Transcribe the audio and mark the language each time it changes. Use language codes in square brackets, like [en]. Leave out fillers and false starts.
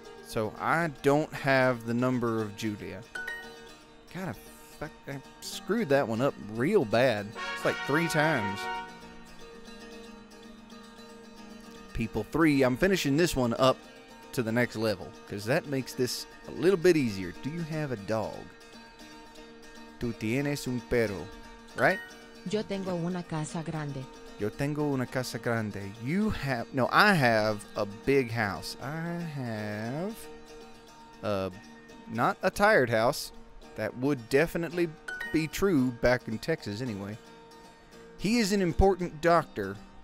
[en] So I don't have the number of Julia. God, I screwed that one up real bad. It's like three times. People three, I'm finishing this one up to the next level because that makes this a little bit easier. Do you have a dog? [es] Tú tienes un perro, [en] right? [es] Yo tengo una casa grande. Yo tengo una casa grande. [en] You have, no, I have a big house. I have not a tired house. That would definitely be true back in Texas anyway. He is an important doctor.